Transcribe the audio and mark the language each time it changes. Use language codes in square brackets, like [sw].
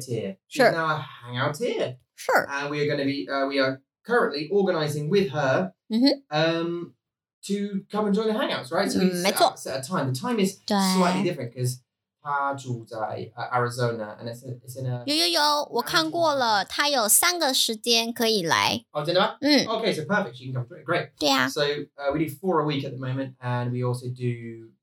[en] Sure. She's now a Hangout tier. Sure. And we are going to be, we are currently organizing with her、 mm-hmm. To come and join the Hangouts, right? So we set a time. The time is slightly different because [zh] 她住在 [en] Arizona and it's in a... [zh] 有我看过了她有三个时间可以来。 [en] Oh, did I? Okay, so perfect. She can come through. Great. [zh] 对啊。 [en] So we do 4 a week at the moment and we also do...